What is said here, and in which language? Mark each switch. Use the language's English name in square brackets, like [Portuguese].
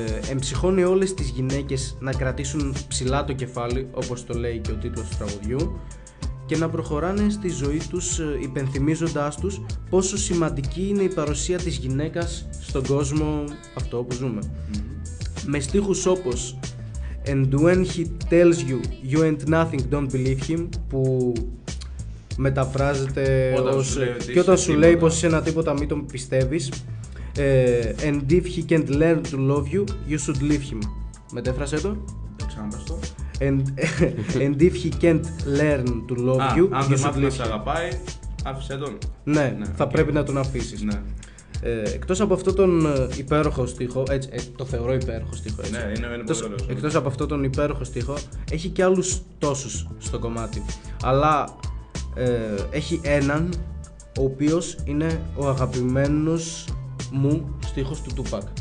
[Greek] Εμψυχώνει όλες τις γυναίκες να κρατήσουν ψηλά το κεφάλι, όπως το λέει και ο τίτλος του τραγουδιού, και να προχωράνε στη ζωή τους υπενθυμίζοντάς τους πόσο σημαντική είναι η παρουσία της γυναίκας στον κόσμο αυτό που ζούμε. Με στίχους όπως [English] «And when he tells you, you ain't nothing, don't believe him», [Greek] που μεταφράζεται ως «και όταν σου λέει πως είσαι ένα τίποτα, μην τον πιστεύεις», [English] «And if he can't learn to love you, you should leave him». [Greek] Μετέφρασέ το. [English] And if he can't learn to love you, [Greek] αν δεν μάθει να σε αγαπάει, άφησε τον. Ναι, ναι, θα okay. πρέπει να τον αφήσεις. Ναι. Εκτός από αυτό τον υπέροχο στίχο, έτσι, το θεωρώ υπέροχο στίχο. Έτσι. Ναι, είναι εκτός, πολύ ωραίος. Εκτός από αυτό τον υπέροχο στίχο, έχει και άλλους τόσους στο κομμάτι. Αλλά έχει έναν, ο οποίος είναι ο αγαπημένος μου στίχος του Tupac.